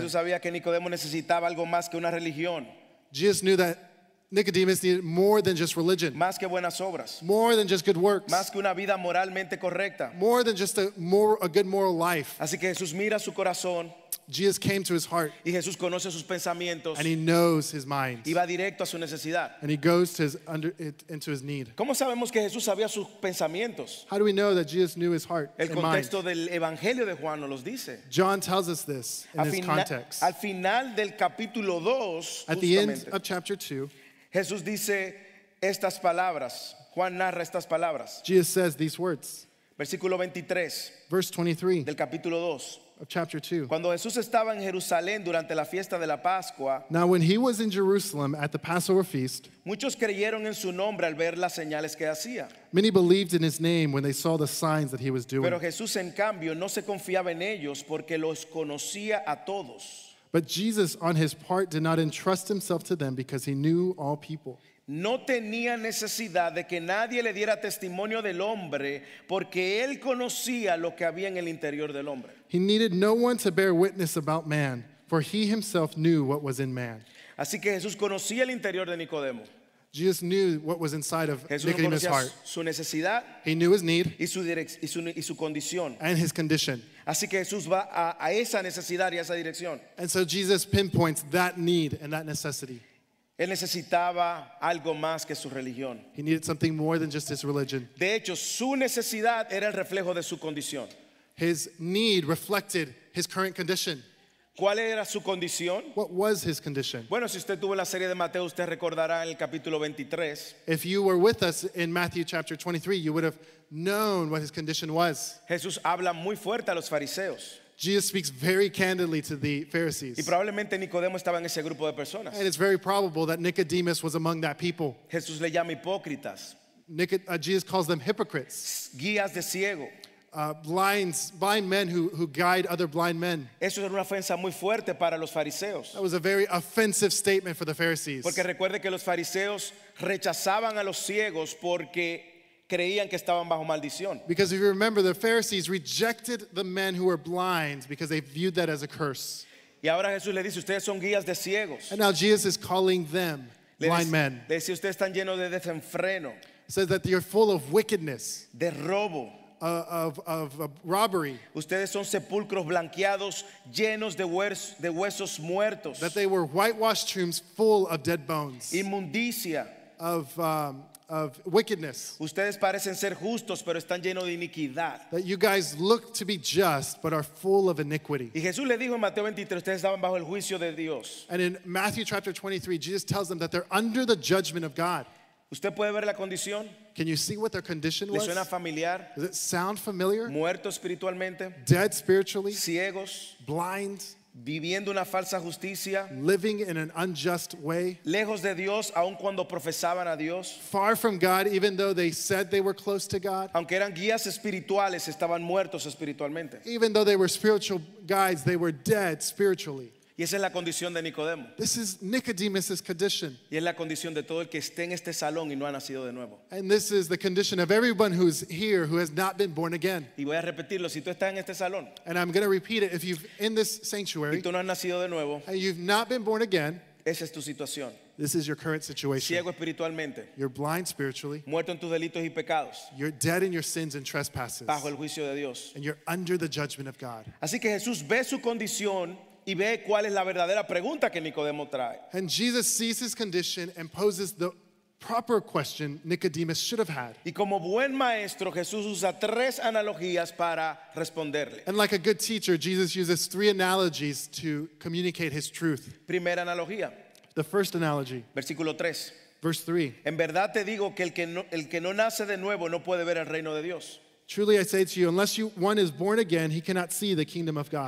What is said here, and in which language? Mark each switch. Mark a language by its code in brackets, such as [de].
[es] Jesús sabía que Nicodemo necesitaba algo más que una religión. [en] Jesus knew that Nicodemus needed more than just religion. [es] Más que buenas obras. [en] More than just good works. [es] Más que una vida moralmente correcta. [en] More than just a good moral life. [es] Así que Jesús mira su corazón. [en] Jesus came to his heart. [es] Y Jesús conoce sus pensamientos. [en] And he knows his mind. [es] Y va directo a su necesidad. [en] And he goes to into his need. [es] ¿Cómo sabemos que Jesús sabía sus pensamientos? [en] How do we know that Jesus knew his heart and mind? [es] El contexto del Evangelio de Juan nos los dice. [en] John tells us this in his context. [es] Al final del capítulo 2, [en] at the end of chapter 2, [es] Jesús dice estas palabras. Juan narra estas palabras. [en] Jesus says these words. [es] Versículo 23. [en] Verse 23. [es] Del capítulo 2. [en] Of chapter 2. [es] Cuando Jesús estaba en Jerusalén durante la fiesta de la Pascua. [en] Now when he was in Jerusalem at the Passover feast. [es] Muchos creyeron en su nombre al ver las señales que hacía. [en] Many believed in his name when they saw the signs that he was doing. [es] Pero Jesús en cambio no se confiaba en ellos porque los conocía a todos. [en] But Jesus, on his part, did not entrust himself to them because he knew all people. [es] No tenía necesidad de que nadie le diera testimonio del hombre porque él conocía lo que había en el interior del hombre. [en] He needed no one to bear witness about man, for he himself knew what was in man. [es] Así que Jesús conocía el interior de Nicodemo. [en] Jesus knew what was inside of Nicodemus' heart. [es] Su necesidad, [en] he knew his need [es] y su condición, [en] and his condition. [es] Así que Jesús va a esa necesidad y a esa dirección. [en] And so Jesus pinpoints that need and that necessity. [es] Él necesitaba algo más que su religión. [en] He needed something more than just his religion. [es] De hecho, su necesidad era el reflejo de su condición. [en] His need reflected his current condition. [es] ¿Cuál era su condición? [en] What was his condition? [es] Bueno, si usted tuvo la serie de Mateo, usted recordará en el capítulo 23. [en] If you were with us in Matthew chapter 23, you would have known what his condition was. [es] Jesús habla muy fuerte a los fariseos. [en] Jesus speaks very candidly to the Pharisees. [es] Y probablemente Nicodemo estaba en ese grupo de personas. [en] And it's very probable that Nicodemus was among that people. [es] Jesús le llama hipócritas. [en] Jesus calls them hypocrites. [es] Guías de ciego. [en] Blind men who guide other blind men. [es] Eso era una ofensa muy fuerte para los fariseos. [en] That was a very offensive statement for the Pharisees. [es] Porque recuerde que los fariseos rechazaban a los ciegos porque creían que estaban bajo maldición. [en] Because if you remember, the Pharisees rejected the men who were blind because they viewed that as a curse. [es] Y ahora Jesús le dice, ustedes son guías de ciegos. [en] And now Jesus is calling them blind men. [es] Le dice, ustedes están llenos de desenfreno. [en] Says that you're full of wickedness. [es] De robo. [en] Of robbery. [es] Ustedes son sepulcros blanqueados, llenos de huesos muertos. [en] That they were whitewashed tombs full of dead bones. [es] Inmundicia. [en] Of wickedness. [es] Ustedes parecen ser justos, pero están llenos de iniquidad. [en] That you guys look to be just, but are full of iniquity. [es] Y Jesús le dijo en Mateo 23, ustedes estaban bajo el juicio de Dios. [en] And in Matthew chapter 23, Jesus tells them that they're under the judgment of God. [es] ¿Usted puede ver la condición? [en] Can you see what their condition was? [es] ¿Le suena familiar? [en] Does it sound familiar? [es] Muerto espiritualmente. [en] Dead spiritually. [es] Ciegos. [en] Blind. [es] Viviendo una falsa justicia. [en] Living in an unjust way. [es] Lejos de Dios, aun cuando profesaban a Dios. [en] Far from God, even though they said they were close to God. [es] Aunque eran guías espirituales, estaban muertos espiritualmente. [en] Even though they were spiritual guides, they were dead spiritually. [es] Y esa es la condición de Nicodemo. [en] This is Nicodemus's condition. [es] Y es la condición de todo el que esté en este salón y no ha nacido de nuevo. [en] And this is the condition of everyone who's here who has not been born again. [es] Y voy a repetirlo, si tú estás en este salón. [en] And I'm going to repeat it, if you're in this sanctuary. [es] Y tú no has nacido de nuevo. [en] And you've not been born again. [es] Esa es tu situación. [en] This is your current situation. [es] Ciego espiritualmente. [en] You're blind spiritually. [es] Muerto en tus delitos y pecados. [en] You're dead in your sins and trespasses. [es] Bajo el juicio de Dios. [en] And you're under the judgment of God. [es] Así que Jesús ve su condición. Y ve cuál es la verdadera pregunta que Nicodemo trae. [en] And Jesus sees his condition and poses the proper question Nicodemus should have had. [es] Y como buen maestro, Jesús usa tres analogías para responderle. [en] And like a good teacher, Jesus uses three analogies to communicate his truth. [es] Primera analogía. [en] The first analogy. [es] Versículo 3. [en] Verse 3. [es] En verdad te digo que el que no nace de nuevo no puede ver el reino de Dios. [en] Truly I say to you, unless one is born again, he cannot see the kingdom of God.